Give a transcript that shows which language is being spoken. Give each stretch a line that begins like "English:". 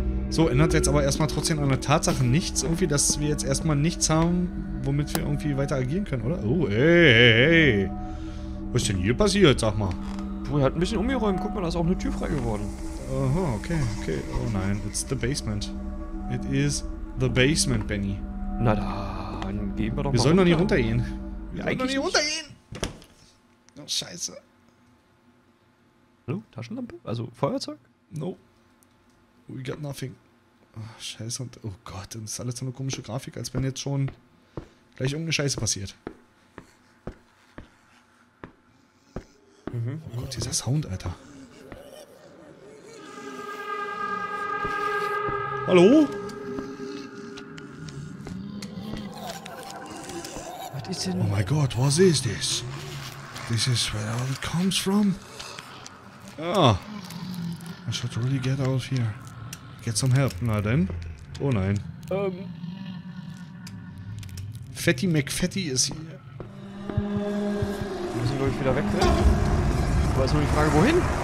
German: So, ändert jetzt aber erstmal trotzdem an der Tatsache nichts, irgendwie, dass wir jetzt erstmal nichts haben, womit wir irgendwie weiter agieren können, oder? Oh, hey. Was ist denn hier passiert, sag mal? Puh, er hat ein bisschen umgeräumt. Guck mal, da ist auch eine Tür frei geworden. Aha, okay. Oh nein,
English: it's the basement. It is the basement, Benny.
German: Na dann, gehen wir doch Wir sollen doch nicht runtergehen. Wir sollen doch nicht runtergehen! Oh, scheiße. Hallo, Taschenlampe? Also, Feuerzeug?
English: Nope. We got nothing.
German: Oh, scheiße. Und, oh Gott, das ist alles so eine komische Grafik, als wenn jetzt schon gleich irgendeine Scheiße passiert. Mhm. Oh Gott, dieser Sound, Alter. Hallo?
English: What is it? Oh my God, what is this? This is where all it comes from? Ah. I should really get out of here.
German: Jetzt zum Herbst, na denn? Oh nein. Fatty McFatty ist hier. Wir müssen, glaube ich, wieder wegrennen. Aber ist nur die Frage, wohin?